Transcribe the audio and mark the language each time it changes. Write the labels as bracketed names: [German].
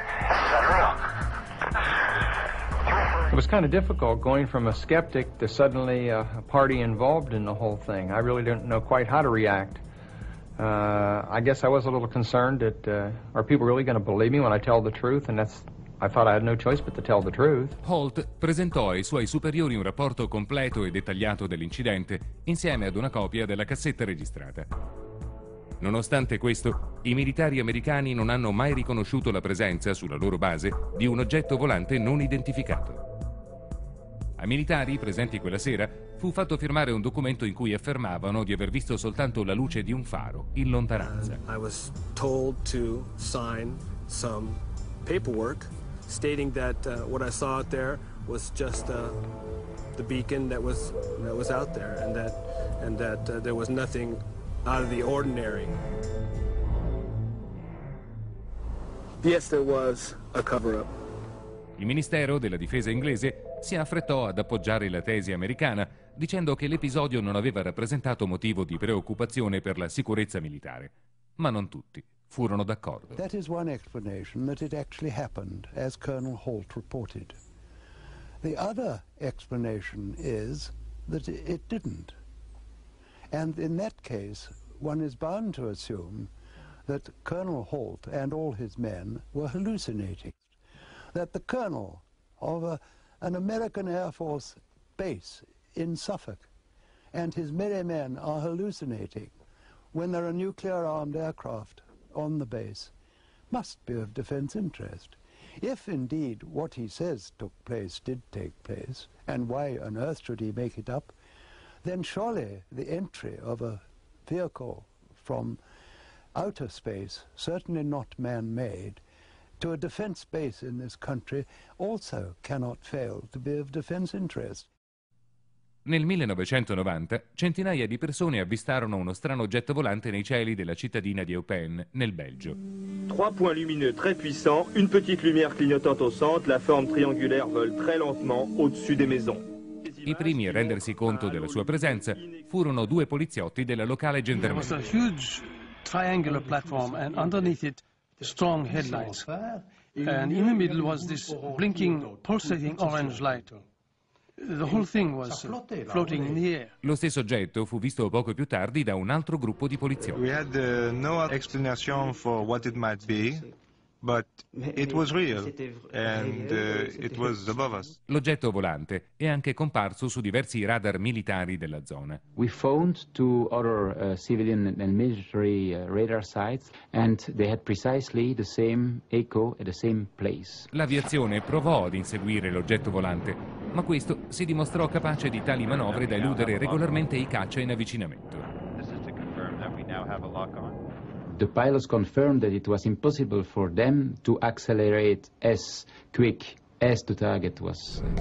[English] This is unreal. It was kind of difficult going from a skeptic to suddenly a party involved in the whole thing. I really didn't know quite how to react. I guess I was a little concerned that are people really going to believe me when I tell the truth? And that's, I thought I had no choice but to tell the truth. [Italian] Holt presentò ai suoi superiori un rapporto completo e dettagliato dell'incidente insieme ad una copia della cassetta registrata. Nonostante questo, i militari americani non hanno mai riconosciuto la presenza sulla loro base di un oggetto volante non identificato. Ai militari presenti quella sera fu fatto firmare un documento in cui affermavano di aver visto soltanto la luce di un faro in lontananza. [English] I was told to sign some paperwork stating that what I saw out there was just the beacon that was out there, and that there was nothing out of the ordinary. Yes, there was a cover-up. [Italian] Il Ministero della Difesa inglese si affrettò ad appoggiare la tesi americana, dicendo che l'episodio non aveva rappresentato motivo di preoccupazione per la sicurezza militare. Ma non tutti furono d'accordo. [English] That is one explanation, that it actually happened, as Colonel Holt reported. The other explanation is that it didn't. And in that case, one is bound to assume that Colonel Holt and all his men were hallucinating, that the colonel of an American Air Force base in Suffolk and his merry men are hallucinating when there are nuclear-armed aircraft on the base must be of defense interest. If indeed what he says took place did take place, and why on earth should he make it up, then surely the entry of a vehicle from outer space, certainly not man-made, to a defense base in this country also cannot fail to be of defense interest. [Italian] Nel 1990, centinaia di persone avvistarono uno strano oggetto volante nei cieli della cittadina di Eupen, nel Belgio. [French] Trois points lumineux très puissants, une petite lumière clignotante au centre, la forme triangulaire vole très lentement au-dessus des maisons. [Italian] I primi a rendersi conto della sua presenza furono due poliziotti della locale gendarmeria. [English] There was a huge triangular platform and underneath it the strong headlights. And in the middle was this blinking, pulsating orange light. The whole thing was floating in the air. [Italian] Lo stesso oggetto fu visto poco più tardi da un altro gruppo di poliziotti. [English] We had no explanation for what it might be, but it was real and it was above us. [Italian] L'oggetto volante è anche comparso su diversi radar militari della zona. [English] We phoned to other civilian and military radar sites and they had precisely the same echo at the same place. [Italian] L'aviazione provò ad inseguire l'oggetto volante, ma questo si dimostrò capace di tali manovre da eludere regolarmente i caccia in avvicinamento. [English] The pilots confirmed that it was impossible for them to accelerate as quick as the target was.